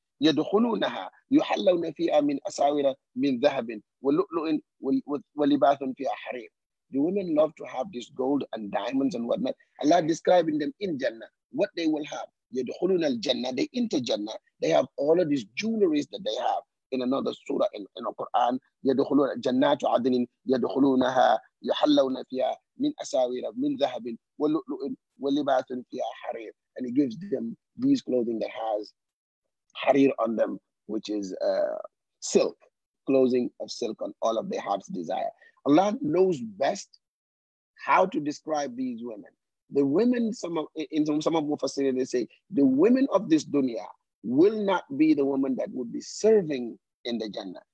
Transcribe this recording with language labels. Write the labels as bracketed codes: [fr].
[ar] يَدْخُلُونَهَا يُحَلَّوْنَ فِيهَا مِنْ أَسَاوِرَ مِنْ ذَهَبٍ وَلُؤْلُؤٍ وَلِبَاثٌ فِيهَا حَرِيرٍ. [en] The women love to have this gold and diamonds and whatnot. Allah describing them in Jannah, what they will have. [ar] يَدْخُلُونَ الْجَنَّةِ, [en] they enter Jannah. They have all of these jewelries that they have. In another surah in the Quran, [ar] يَدْخُلُونَ جَنَّاتُ عَدْنٍ يَدْخُلُونَهَا يُحَلَّوْنَ فِيهَا مِنْ أَسَاوِرَ مِنْ ذَهَبٍ وَلُؤْلُؤٍ وَلِبَاثٌ فِيهَا حَرِيرٍ. [en] And He gives them these clothing that has Harir on them, which is silk, clothing of silk on all of their heart's desire. Allah knows best how to describe these women. The women, some of Mufassirin, they say, the women of this dunya will not be the women that would be serving in the Jannah.